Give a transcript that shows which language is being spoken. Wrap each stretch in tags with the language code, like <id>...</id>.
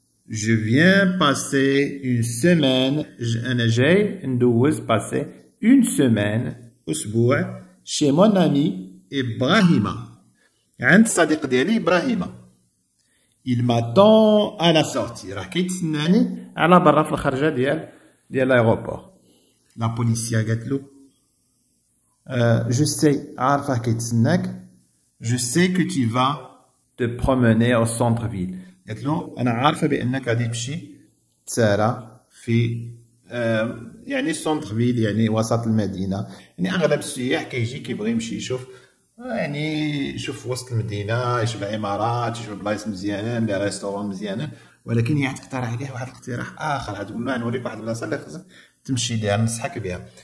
<fr>je viens passer une semaine</fr> <ar>انا جاي ندوز باسي</ar> <fr>une semaine</fr> <ar>اسبوع</ar> <fr>chez mon ami</fr> <ar>ابراهيم عند صديق ديالي ابراهيم</ar> <fr>il m'attend à la sortie</fr> <ar>راه كيتسناني على برا في الخرجه ديال ديال الايروبور لا بوليسيه قالت له</ar> <fr>je sais</fr> <ar>عارفه كيتسناك</ar> <fr>je sais que tu vas te promener au centre ville</fr> <ar>قالت له انا عارفه بانك غادي تمشي تسارى في يعني سونتر فيل يعني وسط المدينه يعني اغلب السياح كيجي كيبغي يمشي يشوف يعني يشوف وسط المدينه يشوف عمارات يشوف بلايص مزيانين دي ريستورون مزيانين ولكن هي تقترح عليه واحد الاقتراح اخر غتقول له نوريك واحد البلاصه اللي خصك تمشي ليها ننصحك بها</ar>